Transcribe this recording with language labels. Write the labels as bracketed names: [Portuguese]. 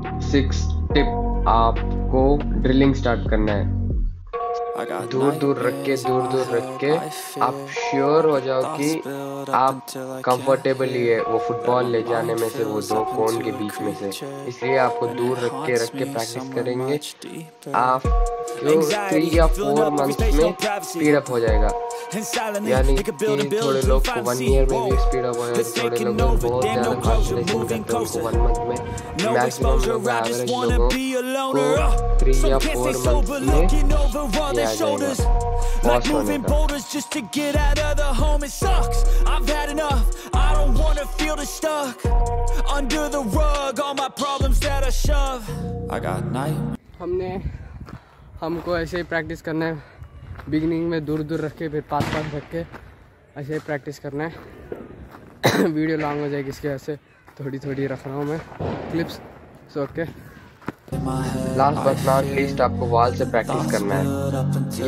[Hindi] Six tip, आपको drilling start करना है, दूर दूर रख के आप श्योर हो जाओ कि आप कंफर्टेबल ही है वो फुटबॉल ले जाने में से, वो दो कोन के बीच में से। इसलिए आपको दूर रख के प्रैक्टिस करेंगे, आप 3 या 4 मंथ में स्पीड अप हो जाएगा। यानी कि थोड़े लोग को 1 ईयर में भी स्पीड अप हो जाएगा, थोड़े लोग बहुत ज्यादा कॉन्सेंट्रेशन करते हैं उसको 1 मंथ में। मैक्सिमम लोग एवरेज लोगों को 3 या 4 मंथ में [English] Like moving boulders just to get out of the home. It sucks, I've had enough. I don't wanna feel the stuck under the rug, all my problems that I shove. I got night. [Hindi] हमने हमको ऐसे ही practice करना है, beginning में दूर दूर रख के फिर पास पास रख के ऐसे ही प्रैक्टिस करना है। वीडियो लॉन्ग हो जाएगी इसके, ऐसे थोड़ी थोड़ी रख रहा हूँ मैं clips. [English] so okay, [Hindi] last but not least, आपको वॉल से प्रैक्टिस करना है।